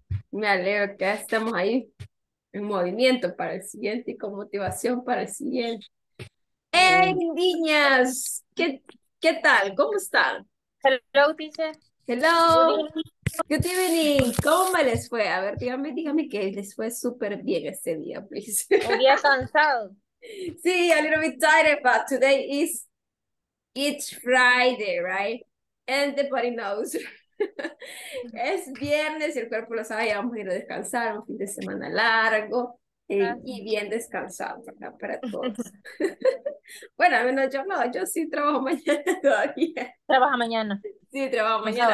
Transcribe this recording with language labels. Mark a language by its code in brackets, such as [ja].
[es] Me alegro que estemos ahí en movimiento para el siguiente y con motivación para el siguiente. ¡Hey, niñas! ¿Qué tal? ¿Cómo están? [en] Hello, teacher. ¡Hello! ¡Good evening! [es] ¿Cómo me les fue? A ver, dígame que les fue súper bien este día, please. Un día cansado. [en] Sí, a little bit tired, but today is it's Friday, right? Everybody knows. [es] Es viernes y el cuerpo lo sabe, ya vamos a ir a descansar, un fin de semana largo y bien descansado, ¿verdad? Para todos. Bueno, al menos yo no, yo sí trabajo mañana todavía. Sí, Trabaja mañana, trabajo el mañana.